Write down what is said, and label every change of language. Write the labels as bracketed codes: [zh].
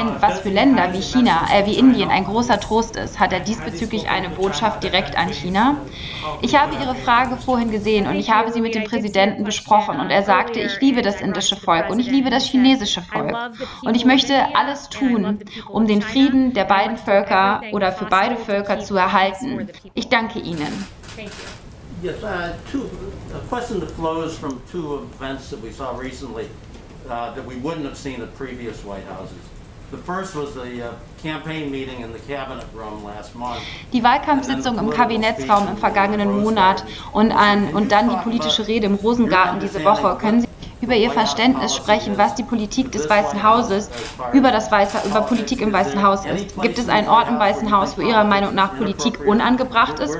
[de] Was für Länder wie Indien ein großer Trost ist, hat er diesbezüglich eine Botschaft direkt an China? Ich habe Ihre Frage vorhin gesehen und ich habe sie mit dem Präsidenten besprochen und er sagte, ich liebe das indische Volk und ich liebe das chinesische Volk. Und ich möchte alles tun, um den Frieden der beiden Völker oder für beide Völker zu erhalten. Ich danke Ihnen. [en] Yes, a question that flows from two events that we saw recently that we wouldn't have seen at previous White Houses. The first was the campaign meeting in the cabinet room last month. [de] Die Wahlkampfsitzung im Kabinettsraum im vergangenen Monat und dann die politische Rede im Rosengarten diese Woche. Können Sie über Ihr Verständnis sprechen, was die Politik des Weißen Hauses über Politik im Weißen Haus ist? Gibt es einen Ort im Weißen Haus, wo Ihrer Meinung nach Politik unangebracht ist?